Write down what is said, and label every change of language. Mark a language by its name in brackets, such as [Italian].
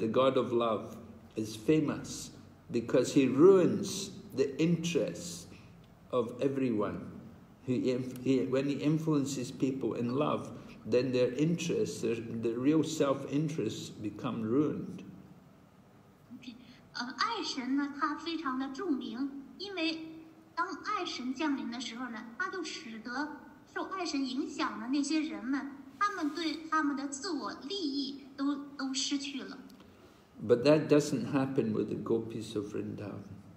[English] the god of love, is famous because he ruins the interests of everyone. When he influences people in love, then their interests, their real self-interests become ruined. Okay. [Chinese] 爱神呢，他非常的著名，因为当爱神降临的时候呢，他就使得受爱神影响的那些人们。他们对他们的自我利益都失去了。 [English] But that doesn't happen with the gopis of Vrindavan.